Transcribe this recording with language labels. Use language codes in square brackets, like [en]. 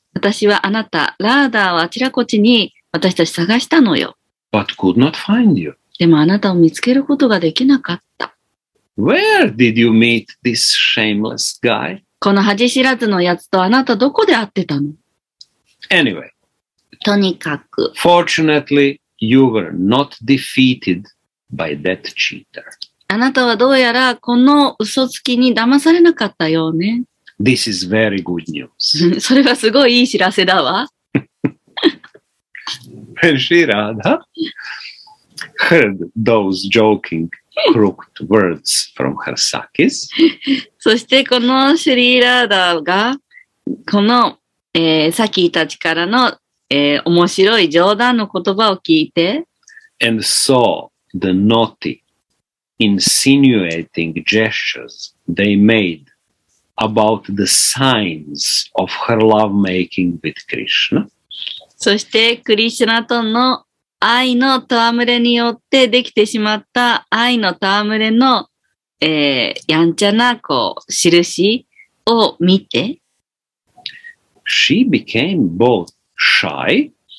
[ja] 私はあなた、ラーダーをあちらこちに私たち探したのよ。 [en] But could not find you. [ja] でもあなたを見つけることができなかった。 [en] Where did you meet this shameless guy? [ja] この恥知らずのやつとあなたどこで会ってたの? [en] Anyway. [ja] とにかく。 [en] Fortunately, you were not defeated by that cheater. [ja] あなたはどうやらこの嘘つきに騙されなかったようね。 [en] This is very good news. [ja] それはすごいいい知らせだわ。 [en] When Shri Radha heard those joking, crooked words from her sakis, [ja] そしてこのシュリーラーダがこの、サキたちからの、面白い冗談の言葉を聞いて、 [en] and saw the naughty, insinuating gestures they made. About the signs of her love making with Krishna. [ja] そしてクリシュナとの愛の戯れによってできてしまった愛の戯れの、やんちゃなこう印を見て、 [en] She became both shy.